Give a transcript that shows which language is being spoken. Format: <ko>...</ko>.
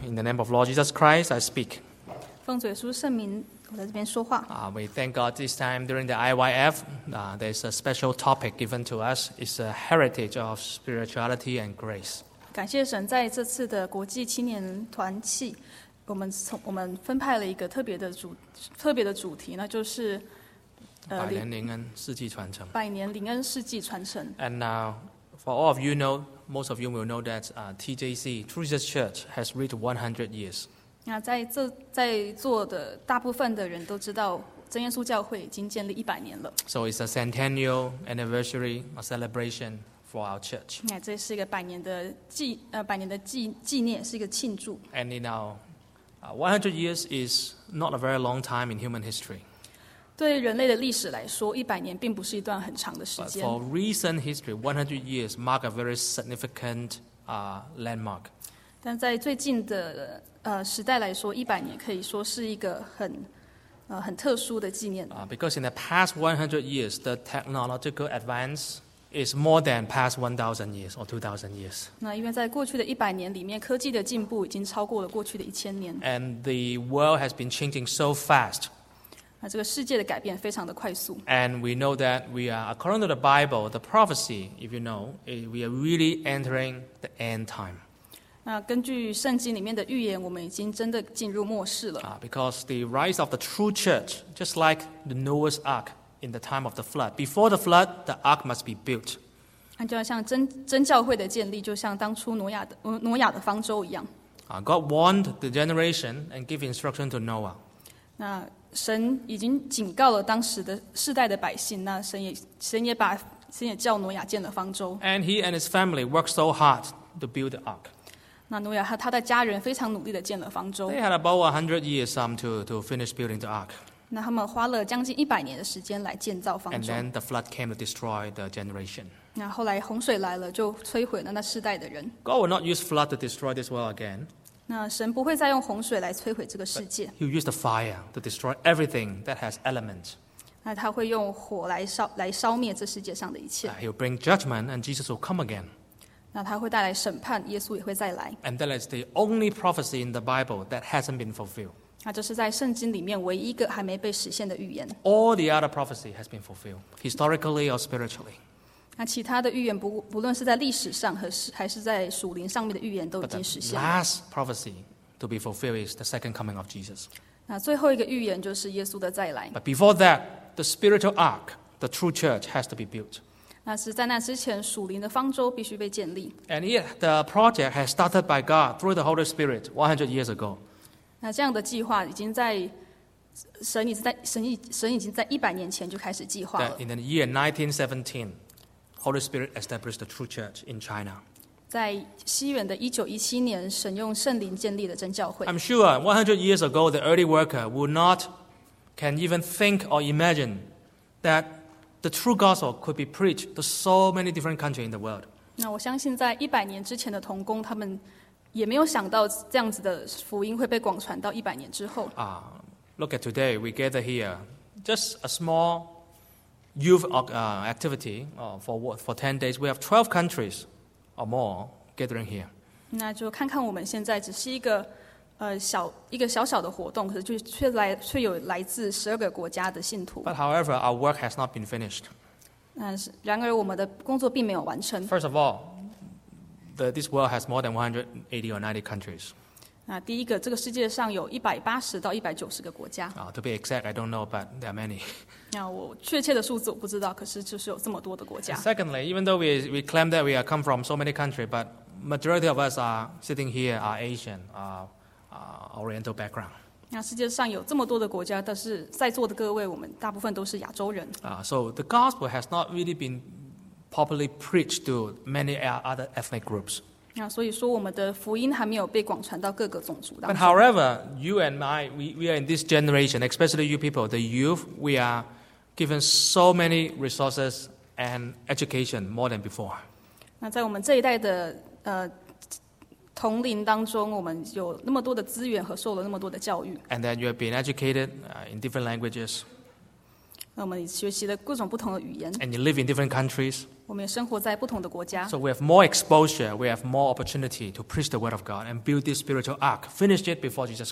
<en>In the name of Lord Jesus Christ, I speak.</en> <zh>奉主耶稣圣名，我在这边说话。</zh> <en>We thank God this time during the IYF, there's a special topic given to us. It's a heritage of spirituality and grace.</en> <zh>感谢神在这次的国际青年团契，我们分派了一个特别的主题，那就是百年灵恩世纪传承。百年灵恩世纪传承。</zh> <en>And now, for all of you know,Most of you will know that TJC, True Jesus Church, has reached 100 years.</en> <zh>在座的大部分的人都知道真耶稣教会已经建立100年了。</zh> <en>So it's a centennial anniversary, a celebration for our church.</en> <zh>这是一个百年的纪念，是一个庆祝。</zh> <en>And in our 100 years is not a very long time in human history.</en> <zh>对人类的历史来说，100年并不是一段很长的时间。</zh> <en>But for recent history, 100 years mark a very significant landmark.</en> <zh>但在最近的时代来说，100年可以说是一个很特殊的纪念。</zh> <en>Because in the past 100 years, the technological advance is more than past 1,000 years or 2,000 years.</en> <zh>那因为在过去的100年里面，科技的进步已经超过了过去的1000年。</zh> <en>And the world has been changing so fast.</en> <zh>这个世界的改变非常的快速。</zh> <en>And we know that we are, according to the Bible, the prophecy, if you know, we are really entering the end time.</en> <zh>那根据圣经里面的预言，我们已经真的进入末世了。</zh> <en>Because the rise of the true church, just like the Noah's Ark in the time of the flood. Before the flood, the ark must be built.</en> <zh>那就像真教会的建立，就像当初挪亚的方舟一样。</zh> <en>God warned the generation and gave instruction to Noah.</en> <zh>那神已经警告了当时的世代的百姓，那神也叫挪亚建了方舟。</zh> <en>And he and his family worked so hard to build the ark.</en> <zh>那挪亚和他的家人非常努力的建了方舟。</zh> <en>They had about 100 years to finish building the ark.</en> <zh>那他们花了将近100年的时间来建造方舟。</zh> <en>And then the flood came to destroy the generation.</en> <zh>那后来洪水来了，就摧毁了那世代的人。</zh> <en>God will not use flood to destroy this world again.</en> <zh>那神不会再用洪水来摧毁这个世界。</zh> <en>He used the fire to destroy everything that has element.</en> <zh>那他会用火来烧灭这世界上的一切。</zh> <en>He'll bring judgment and Jesus will come again.</en> <zh>那他会带来审判，耶稣也会再来。</zh> <en>And that is the only prophecy in the Bible that hasn't been fulfilled.</en> <zh>那这是在圣经里面唯一一个还没被实现的预言。</zh> <en>All the other prophecy has been fulfilled, historically or spiritually.</en> <zh>那其他的预言不论是在历史上还是在属灵上面的预言都已经实现了。</zh> <en>But the last prophecy to be fulfilled is the second coming of Jesus.</en> <zh>那最后一个预言就是耶稣的再来。</zh> <en>But before that, the spiritual ark, the true church, has to be built.</en> <zh>那是在那之前，属灵的方舟必须被建立。</zh> <en>And yet, the project has started by God through the Holy Spirit 100 years ago.</en> <zh>那这样的计划已经在神已经在100年前就开始计划了。</zh> <en>That in the year 1917. Holy Spirit established the true church in China.</en> <zh>在西元的1917年，神用圣灵建立了真教会。</zh> <en>I'm sure 100 years ago, the early worker can even think or imagine that the true gospel could be preached to so many different countries in the world.</en> <zh>那我相信在100年之前的同工，他们也没有想到这样子的福音会被广传到100年之后。</zh> <en>Look at today, we gather here, just a smallYouth activity for 10 days. We have 12 countries or more gathering here.</en> <zh>那就看看我们现在只是一个小小的活动，可是却有来自12个国家的信徒。</zh> <en>But however, our work has not been finished.</en> <zh>然而我们的工作并没有完成。</zh> <en>First of all, this world has more than 180 or 90 countries.</en> <zh>那第一个，这个世界上有180到190个国家。</zh> <en>To be exact, I don't know, but there are many.</en> <zh>那我确切的数字我不知道，可是就是有这么多的国家。</zh> <en>Secondly, even though we claim that we are come from so many countries, but majority of us are sitting here are Asian, Oriental background.</en> <zh>那世界上有这么多的国家，但是在座的各位，我们大部分都是亚洲人。</zh> <en>So the gospel has not really been properly preached to many other ethnic groups.</en> <zh>那所以说，我们的福音还没有被广传到各个种族当中。</zh> <en>But however, you and I, we are in this generation, especially you people, the youth, we are. Given so many resources and education more than before.</en> <zh>那在我们这一代的同龄当中，我们有那么多的资源和受了那么多的教育。</zh> <en>And then you have been educated in different languages. And you live in different countries. So we have more exposure, we have more opportunity to preach the word of God and build this spiritual ark, finish it before Jesus</en>